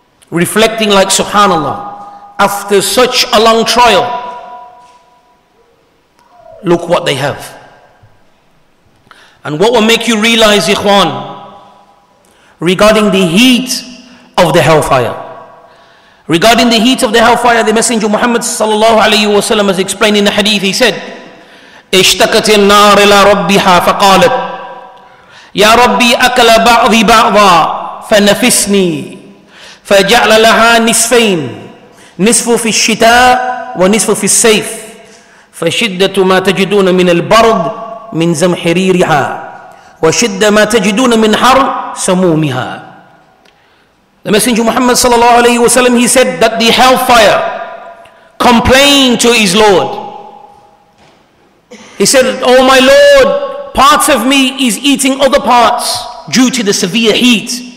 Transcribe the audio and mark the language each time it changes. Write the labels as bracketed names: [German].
[English] Reflecting like, subhanAllah, after such a long trial, look what they have. And what will make you realize, Ikhwan, regarding the heat of the hellfire. Regarding the heat of the hellfire, the Messenger Muhammad sallallahu alayhi wa sallam has explained in the hadith, he said, [Arabic] اشتكتِ النار إلى ربها فقالت يا ربي أكل بعضي بعضا فنفسني فجعل لها نصفين نصف في الشتاء ونصف في الصيف فشدة ما تجدون من البرد من زمحريرها وشدة ما تجدون من حر سمومها. [English] The Messenger Muhammad sallallahu alayhi wa sallam, he said that the hellfire complained to his Lord. He said, oh my Lord, parts of me is eating other parts due to the severe heat.